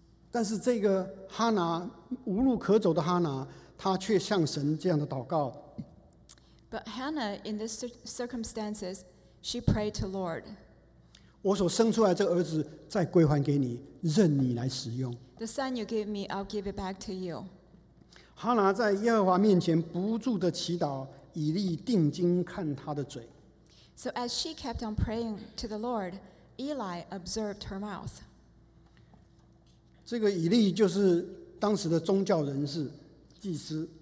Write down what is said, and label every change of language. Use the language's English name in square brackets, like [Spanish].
[Chinese] 但是这个哈拿无路可走的哈拿，他却向神这样的祷告。 [English] But Hannah in this circumstances, she prayed to Lord. [Chinese] 我所生出来的这个儿子再归还给你，任你来使用。 [English] The son you give me, I'll give it back to you. [Chinese] 哈拿在耶和华面前不住的祈祷，以利定睛看他的嘴。 [English] So as she kept on praying to the Lord, Eli observed her mouth. [Chinese] 这个以利就是当时的宗教人士，祭司。